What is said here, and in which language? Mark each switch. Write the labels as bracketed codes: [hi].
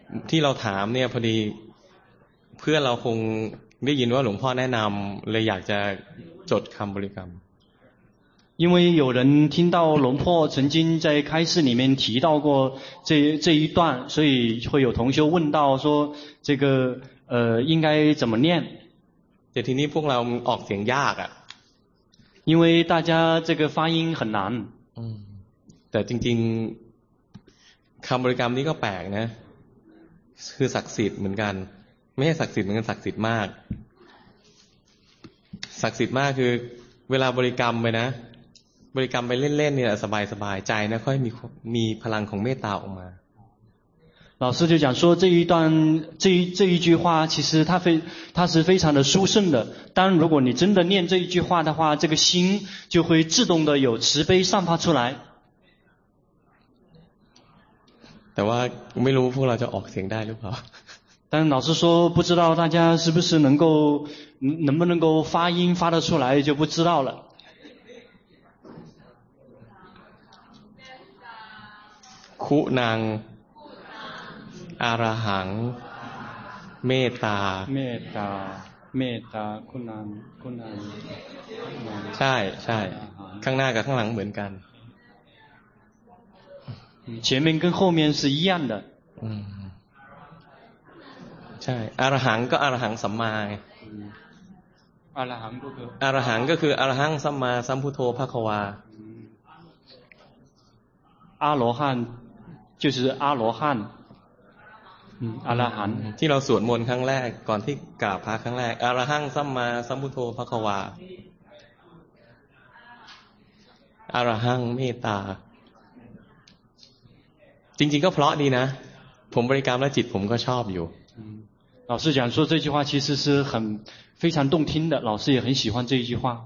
[th] ที่เราถามเนี่ยพอดีเพื่อเราคงได้ยินว่าหลวงพ่อแนะนำเลยอยากจะจดคำบริกรรม [zh] 因为有人听到龙破曾经在开示里面提到过这一段所以会有同修问到说这个应该怎么念 [th] แต่ทีนี้พวกเราออกเสียงยากอ่ะ [zh] 因为大家这个发音很难 [th] แต่จริงๆคำบริกรรมนี้ก็แปลกนะคือศักดิ์สิทธิ์เหมือนกันไม่ใช่ศักดิ์สิทธิ์เหมือนกันศักดิ์สิทธิ์มากศักดิ์สิทธิ์มากคือเวลาบริกรรมไปนะบริกรรมไปเล่นๆนี่แหละสบายๆใจนะค่อยมีพลังของเมตตาออกมา [zh] 老师就讲说这一段这一句话其实它是非常的殊胜的当如果你真的念这一句话的话这个心就会自动的有慈悲散发出来 [th] แต่ว่าไม่รู้พวกเราจะออกเสียงได้หรือเปล่า [zh] 但老师说不知道大家是不是能不能够发音发得出来就不知道了 [th] คุณัง อรหังเมตตา เมตตาเมตตาคุณานคุณาน ใช่ใช่ข้างหน้ากับข้างหลังเหมือนกัน [zh] 前面跟后面是一样的 [th] ใช่อรหังก็อรหังสัมมา อรหังก็คืออ รหังก็คืออรหังสัมมาสัมพุทโธภควา [zh] อาโลหัน就是阿罗汉嗯阿拉罕 [th] ที่เราสวดมนต์ครั้งแรกก่อนที่กราบพระครั้งแรกอรหังสัมมาสัมพุทโธภควาอรหังเมตตาจริงๆก็เพราะดีนะผมบริกรรมและจิตผมก็ชอบอยู่ [zh] 老师讲说这句话其实是很非常动听的老师也很喜欢这句话